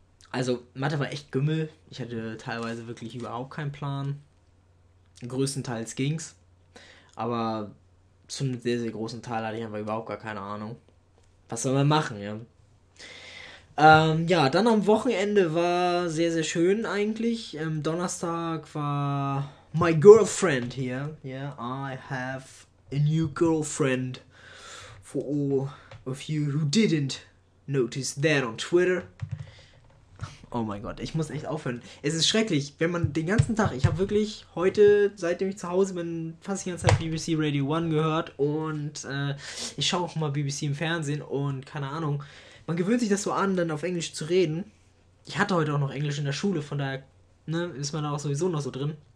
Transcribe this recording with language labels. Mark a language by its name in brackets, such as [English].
[German] Also Mathe war echt Gümmel. Ich hatte teilweise wirklich überhaupt keinen Plan. Größtenteils ging's, aber zum sehr, sehr großen Teil hatte ich einfach überhaupt gar keine Ahnung. Was soll man machen, ja? Ja, dann am Wochenende war sehr, sehr schön eigentlich. Donnerstag war [English] my girlfriend here. Yeah, I have a new girlfriend for all of you who didn't notice that on Twitter. [German] Oh mein Gott, ich muss echt aufhören. Es ist schrecklich, wenn man den ganzen Tag, ich habe wirklich heute, seitdem ich zu Hause bin, fast die ganze Zeit BBC Radio One gehört und ich schaue auch mal BBC im Fernsehen und keine Ahnung. Man gewöhnt sich das so an, dann auf Englisch zu reden. Ich hatte heute auch noch Englisch in der Schule, von daher, ne, ist man da auch sowieso noch so drin.